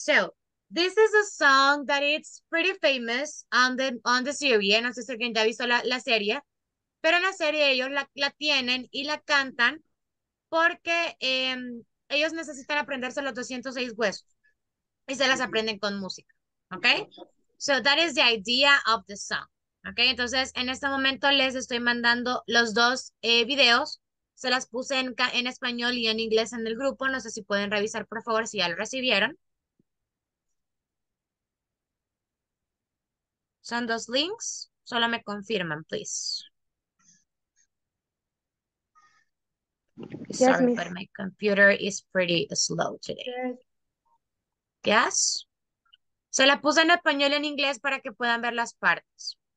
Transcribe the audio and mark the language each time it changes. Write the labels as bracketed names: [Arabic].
[English] So, this is a song that it's pretty famous on the series. [Spanish] No sé si alguien ya visto la serie, pero en la serie ellos la tienen y la cantan porque ellos necesitan aprenderse los 206 huesos y se las aprenden con música, ¿ok? [English] So that is the idea of the song, [Spanish] ¿ok? Entonces, en este momento les estoy mandando los dos videos. Se las puse en español y en inglés en el grupo. No sé si pueden revisar, por favor, si ya lo recibieron. Son dos links. Solo me confirman, please. [English] Sorry, yes, but my computer is pretty slow today. Yes. Yes. [Spanish] Se la puse en español y en inglés para que puedan ver las partes.